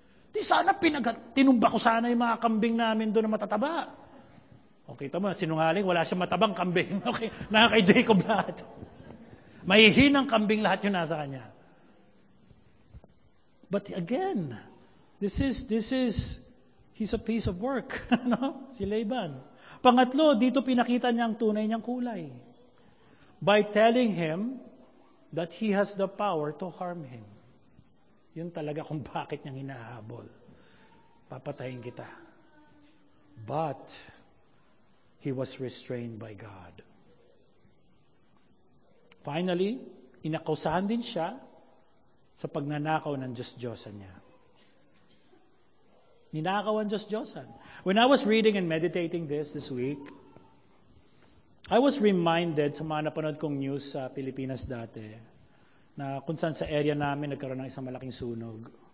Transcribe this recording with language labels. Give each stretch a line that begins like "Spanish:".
Filipino: Di sana tinumba ko sana yung mga kambing namin doon na matataba. Okay, tama, sinungaling, wala siyang matabang kambing. Okay, na kay Jacob lahat. Mahihinang kambing lahat yung nasa kanya.
English: But again, he's a piece of work, no?
Filipino: Si Laban. Pangatlo, dito pinakita niya ang tunay niyang kulay.
English: By telling him that he has the power to harm him.
Filipino: Yun talaga kung bakit niyang hinahabol. Papatayin kita.
English: But he was restrained by God. Finally,
Filipino: inakusahan din siya sa pagnanakaw ng Diyos-Diyosan niya. Ninakaw ang Diyos-Diyosan.
English: When I was reading and meditating this week, I was reminded
Filipino: sa mga napanood kong news sa Pilipinas dati na kung saan sa area namin nagkaroon ng isang malaking sunog.